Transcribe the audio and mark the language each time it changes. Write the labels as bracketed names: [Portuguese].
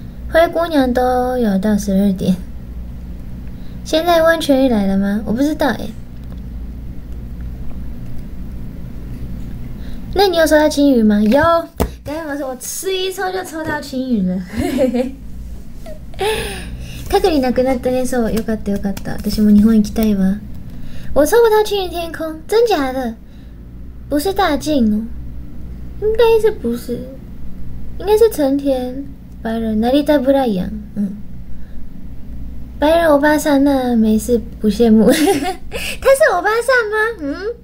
[Chinese] 灰姑娘都有到12点，现在温泉浴来了吗？我不知道耶。那你有抽到青云吗？有，刚才我说我吃一抽就抽到青云了。 [Japanese] 隔离なくなったね。そう、よかったよかった。私も日本行きたいわ。 [Chinese] 我抽不到青云天空。真假的？不是大进哦，应该是不是，应该是成田白人成田ブライアン。白人欧巴桑，那没事，不羡慕。他是欧巴桑吗？